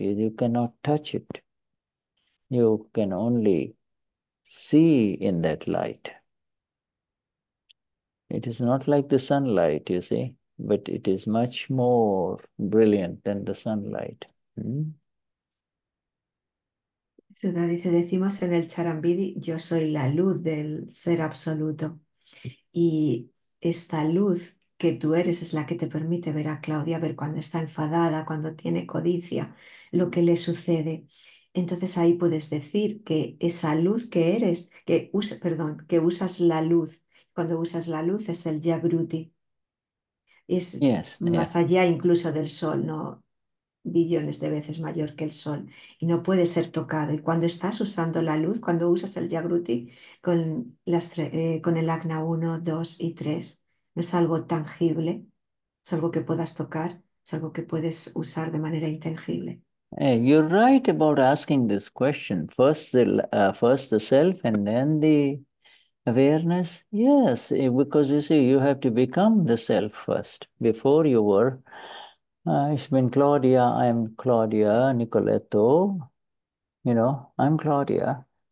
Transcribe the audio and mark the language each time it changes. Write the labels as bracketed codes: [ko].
[en] You cannot touch it. You can only see in that light. It is not like the sunlight, you see. but it is much more brilliant than the sunlight. [es] Sudha dice, decimos en el charambidi, yo soy la luz del ser absoluto. Y esta luz que tú eres es la que te permite ver a Claudia, ver cuando está enfadada, cuando tiene codicia, lo que le sucede. Entonces ahí puedes decir que esa luz que eres, que usas, perdón, que usas la luz, cuando usas la luz es el Jagruti. Es más allá incluso del sol, ¿no? Billones de veces mayor que el sol y no puede ser tocado. Y cuando estás usando la luz, cuando usas el Jagruti con con el Agna 1, 2 y 3, no es algo tangible, es algo que puedas tocar, es algo que puedes usar de manera intangible. [en] You're right about asking this question. First the self and then the awareness, yes, because you see, you have to become the self first before you were. It's been Claudia, I'm Claudia, Nicoletto, I'm Claudia.